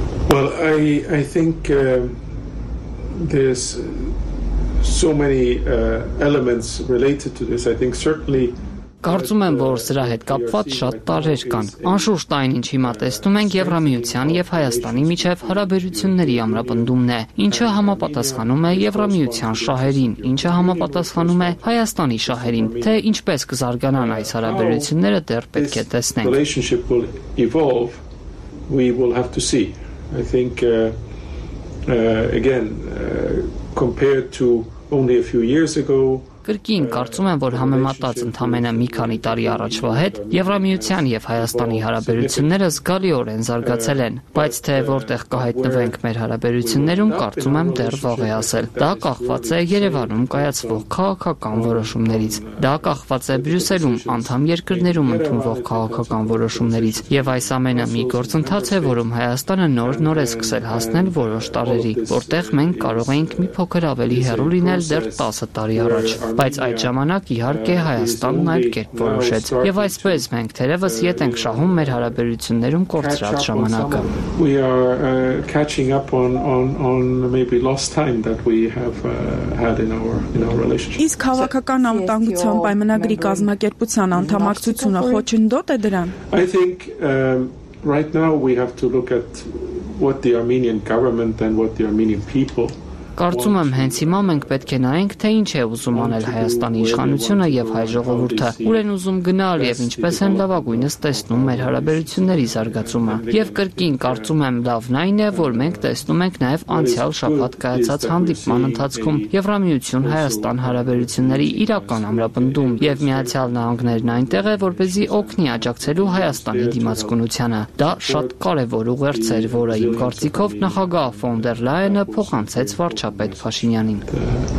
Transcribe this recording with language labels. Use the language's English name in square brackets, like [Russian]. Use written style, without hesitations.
[English] Well, I think there's so many elements related to this. I think certainly [Armenian] կարծում եմ, որ սրա հետ կապված շատ տարրեր կան։ Անշուշտ այն, ինչ հիմա տեսնում ենք Եվրամիության եւ Հայաստանի միջև հարաբերությունների ամրապնդումն է, ինչը համապատասխանում է Եվրամիության շահերին, ինչը համապատասխանում է Հայաստանի շահերին, թե ինչպես կզարգանան այս հարաբերությունները դեռ պետք է տեսնենք։ [English] I think again compared to only a few years ago [Armenian] Կրկին կարծում եմ, որ համեմատած ընդամենը մի քանի տարի առաջվա հետ Եվրամիության եւ Հայաստանի հարաբերությունները զգալիորեն զարգացել են, բայց թե որտեղ կհայտնվենք մեր հարաբերություններում, կարծում եմ դեռ վաղ է ասել։ Դա կախված է Երևանում կայացվող քաղաքական որոշումներից, դա կախված է Բրյուսելում անդամ երկրներում ընդունվող քաղաքական որոշումներից, եւ այս ամենը մի գործընթաց է, որում Հայաստանը նոր է սկսել հասնել որոշ տարերի, որտեղ մենք կարող ենք մի փոքր ավելի հեռու լինել դեռ 10 տարի առաջ։ Բայց այդ ժամանակ իհարկե Հայաստանն այլ կերպ որոշեց, եւ այսպես մենք թերևս ետ ենք շահում մեր հարաբերություններում կորցրած ժամանակը։ [English] We are catching up on maybe lost time that we have had in our relationship. [Armenian] Իսկ քաղաքական անվտանգության պայմանագրի կազմակերպության անդամակցությունը խոչընդոտ է դրան։ [English] I think right now we have to look at what the Armenian government and what the Armenian people [Armenian] Կարծում եմ, հենց հիմա մենք պետք է նայենք, թե ինչ է ուզում անել Հայաստանի իշխանությունը եւ հայ ժողովուրդը, ուր են ուզում գնալ եւ ինչպես են լավագույնս տեսնում մեր հարաբերությունների զարգացումը։ Եվ կրկին կարծում եմ, լավն այն է, որ մենք տեսնում ենք նաեւ անցյալ շաբաթ կայացած հանդիպման ընթացքում Եվրամիություն-Հայաստան հարաբերությունների իրական ամրապնդում եւ Միացյալ Նահանգներն այնտեղ է, որպեսզի օգնի աջակցելու Հայաստանի դիմացկունությանը։ Դա շատ կարեւոր ուղերձ էր, որը իմ կարծիքով նախագահ ֆոն դեր Լայենը փոխանցեց Վարչապետ Փաշինյանին։